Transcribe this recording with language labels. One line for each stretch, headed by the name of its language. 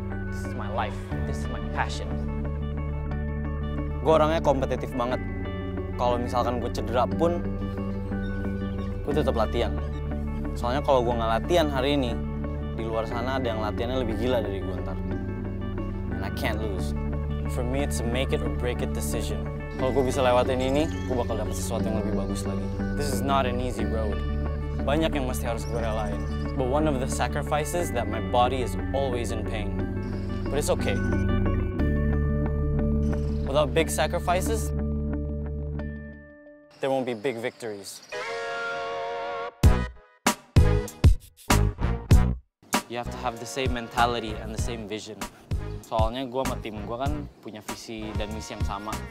English: This is my life. This is my passion.
Indonesian: Gue orangnya kompetitif banget. Kalau misalkan gue cedera pun, gue tetap latihan. Soalnya kalau gue nggak latihan hari ini, di luar sana ada yang latihannya lebih gila dari gue ntar.
English: And I can't lose. For me, it's a make it or break it decision.
Indonesian: Kalau gue bisa lewatin ini, gue bakal dapet sesuatu yang lebih bagus lagi.
English: This is not an easy road.
Indonesian: Banyak yang mesti harus gue relain.
English: But one of the sacrifices that my body is always in pain. But it's okay. Without big sacrifices, there won't be big victories. You have to have the same mentality and the same vision.
Indonesian: Soalnya gue sama tim gue kan punya visi dan misi yang sama.